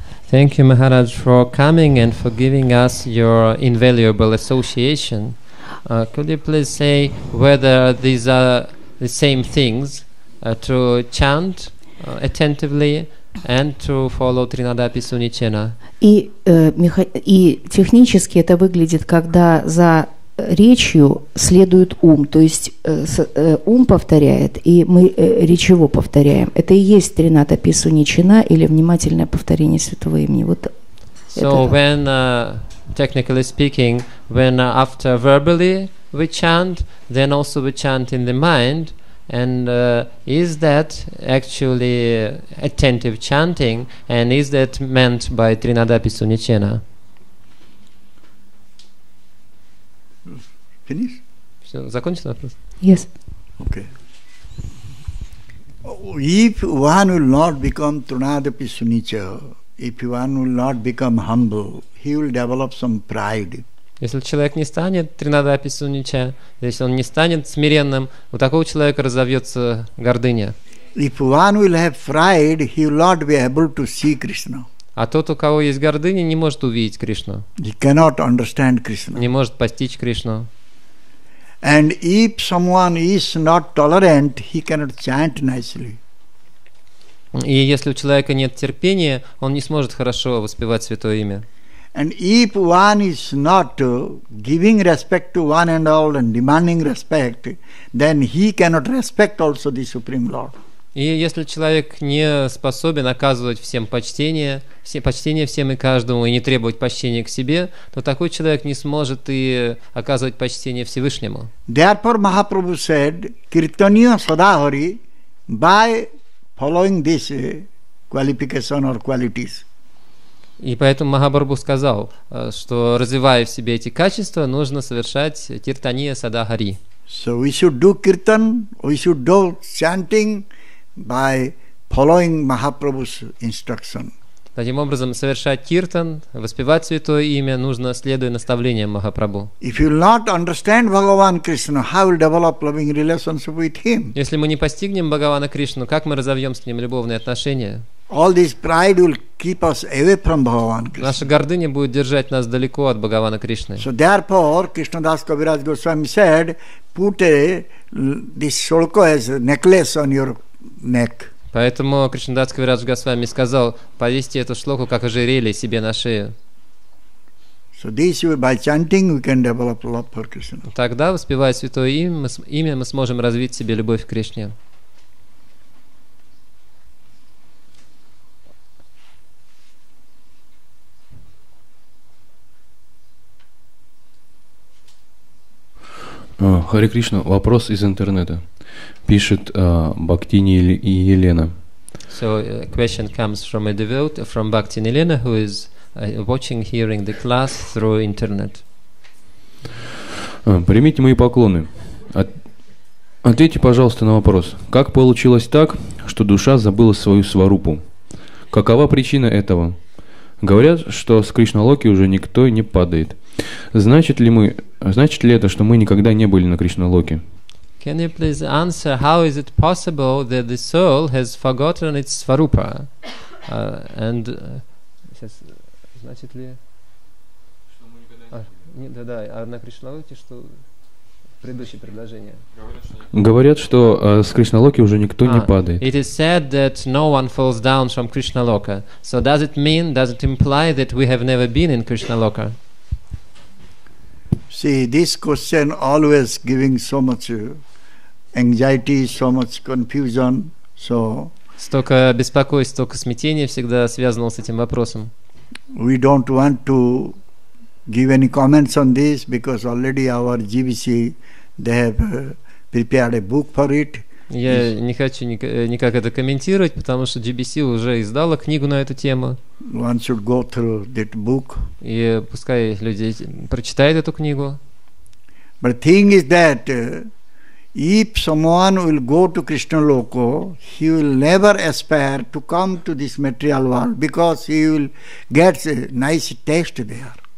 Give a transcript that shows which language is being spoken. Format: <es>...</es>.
<en>Thank you, Maharaj, for coming and for giving us your invaluable association. Could you please say whether these are the same things, to chant attentively and to follow Trinada Pisu Nichena?</en> <ru>И технически это выглядит, когда за речью следует ум, то есть ум повторяет, и мы речево повторяем. Это и есть трината пису ничина или внимательное повторение святого имени. Вот</ru> <en>so when technically speaking, when after verbally we chant, then also we chant in the mind, and is that actually attentive chanting, and is that meant by trinada pisu ничина? Finish?</en> <ru>Все, закончено вопрос?</ru> <en>Yes. Okay. If one will not become Trinadapi Sunicha, if one will not become humble, he will develop some pride.</en> <ru>Если человек не станет Trinadapi Sunicha, если он не станет смиренным, у такого человека разовьется гордыня.</ru> <en>If one will have pride, he will not be able to see Krishna.</en> <ru>А тот, у кого есть гордыня, не может увидеть Кришну.</ru> <en>He cannot understand Krishna.</en> <ru>Не может постичь Кришну.</ru> <en>And if someone is not tolerant, he cannot chant nicely.</en> <ru>И если у человека нет терпения, он не сможет хорошо воспевать святое имя.</ru> <en>And if one is not giving respect to one and all and demanding respect, then he cannot respect also the Supreme Lord.</en> <ru>И если человек не способен оказывать всем почтение, почтение всем и каждому, и не требовать почтения к себе, то такой человек не сможет и оказывать почтение Всевышнему.</ru> <en>Therefore, Mahaprabhu said, "Kirtaniya Sadahari, by following this qualification or qualities."</en> <ru>И поэтому Махапрабху сказал, что развивая в себе эти качества, нужно совершать киртания садахари.</ru> <en>So we should do kirtan, we should do chanting. By following Mahaprabhu's instruction.</en> <ru>Таким образом, совершать киртан, воспевать святое имя, нужно следуя наставлениям Махапрабху.</ru> <en>If you will not understand Bhagavan Krishna, how will develop loving relationship with him?</en> <ru>Если мы не постигнем Бхагавана Кришну, как мы разовьем с ним любовные отношения?</ru> <en>All this pride will keep us away from Bhagavan Krishna.</en> <ru>Наша гордыня будет держать нас далеко от Бхагавана Кришны.</ru> <en>So therefore, Krishna Das Kaviraj Goswami said, put this shulka as a necklace on your neck.</en> <ru>Поэтому Кришнадас Кавирадж Госвами сказал, повесьте эту шлоку как ожерелье себе на шею.</ru> <en>So this way, by chanting, we can develop love for Krishna.</en> <ru>Тогда, воспевая святое имя, мы сможем развить себе любовь к Кришне. Харе Кришна, вопрос из интернета. Пишет Бхактини Елена.</ru> <en>So a question comes from a devotee, from Bhakti Elena, who is watching, hearing the class through internet.</en> <ru>Примите мои поклоны. Ответьте, пожалуйста, на вопрос. Как получилось так, что душа забыла свою сварупу? Какова причина этого? Говорят, что с Кришналоки уже никто не падает. Значит ли это, что мы никогда не были на Кришналоке?</ru> <en>Can you please answer how is it possible that the soul has forgotten its svarupa? And</en> <ru>значит ли, что мы никогда не были? Да, на Кришналоке, что предыдущее предложение. Говорят, что с Кришналоки уже никто не падает.</ru> <en>It is said that no one falls down from Krishnaloka. So does it imply that we have never been in Krishnaloka? See, this question always giving so much anxiety, so much confusion, so.</en> <ru>Столько беспокойств, столько смятения всегда связано с этим вопросом.</ru> <en>We don't want to give any comments on this because already our GBC they have prepared a book for it.</en> <ru>Я не хочу никак это комментировать, потому что GBC уже издала книгу на эту тему.</ru> <en>One should go through that book.</en> <ru>И пускай люди прочитают эту книгу.</ru> <en>But thing is that If someone will go to Krishna Loko, he will never aspire to come to this material world because he will get a nice taste there.</en>